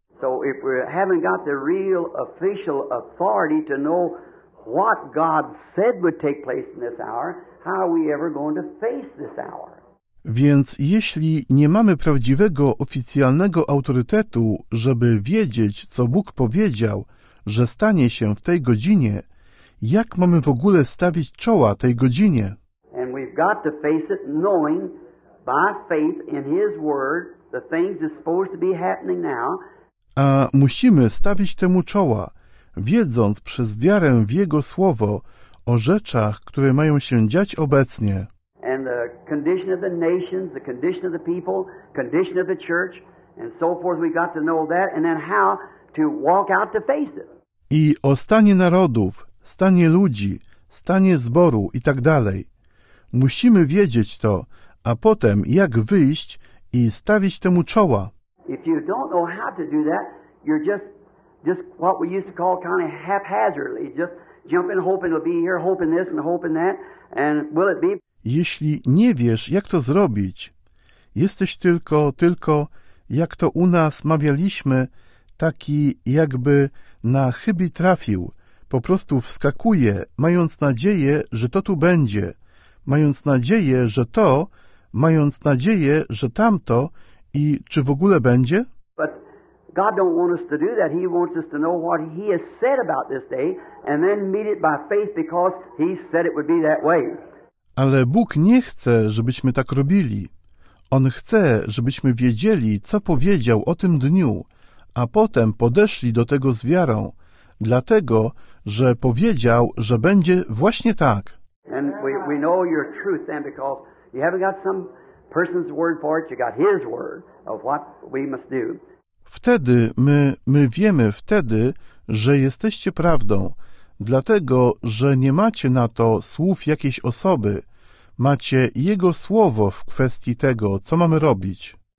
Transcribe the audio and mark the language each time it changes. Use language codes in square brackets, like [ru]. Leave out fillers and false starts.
[en] So if we haven't got the real official authority to know what God said would take place in this hour, how are we ever going to face this hour? [pl] Więc jeśli nie mamy prawdziwego oficjalnego autorytetu, żeby wiedzieć, co Bóg powiedział, że stanie się w tej godzinie, jak mamy w ogóle stawić czoła tej godzinie? [en] And we've got to face it knowing by faith in his word the things are supposed to be happening now. [pl] A musimy stawić temu czoła, wiedząc przez wiarę w jego słowo o rzeczach, które mają się dziać obecnie. [en] And the condition of the nations, the condition of the people, condition of the church and so forth, we got to know that and then how to walk out to face it. [pl] i o stanie narodów, stanie ludzi, stanie zboru i tak dalej. Musimy wiedzieć to, a potem jak wyjść i stawić temu czoła. [en] If you don't know how to do that, you're just what we used to call kind of haphazardly, just jumping, hoping it'll be here, hoping this and hoping that, and will it be? [pl] Jeśli nie wiesz, jak to zrobić, jesteś tylko, jak to u nas mawialiśmy, taki jakby na chybi trafił, po prostu wskakuje, mając nadzieję, że to tu będzie, mając nadzieję, że to, mając nadzieję, że tamto i czy w ogóle będzie? [en] But God don't want us to do that. He wants us to know what He has said about this day and then meet it by faith because He said it would be that way. [pl] Ale Bóg nie chce, żebyśmy tak robili. On chce, żebyśmy wiedzieli, co powiedział o tym dniu, a potem podeszli do tego z wiarą, dlatego, że powiedział, że będzie właśnie tak. [en] And we know your truth then because you haven't got some person's word for it, you got His word of what we must do. [pl] Wtedy my wiemy wtedy, że jesteście prawdą, dlatego, że nie macie na to słów jakiejś osoby. Macie Jego słowo w kwestii tego, co mamy robić.